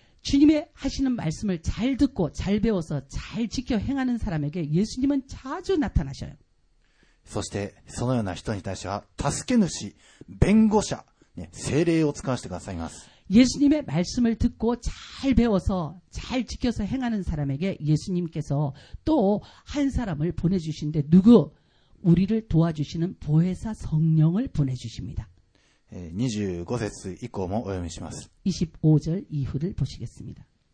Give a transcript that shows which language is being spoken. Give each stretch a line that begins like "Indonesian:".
Korean: 주님의 하시는 말씀을 잘 듣고 잘 배워서 잘 지켜 행하는 사람에게 예수님은 자주 나타나셔요.
Japanese: そしてそのような人に対しては助け主弁護者、ね、聖霊を使わせてくださいます.
Korean: 예수님의 말씀을 듣고 잘 배워서 잘 지켜서 행하는 사람에게 예수님께서 또 한 사람을 보내주신데 누구? 우리를 도와주시는 보혜사 성령을 보내주십니다. 25절 이후를 보시겠습니다.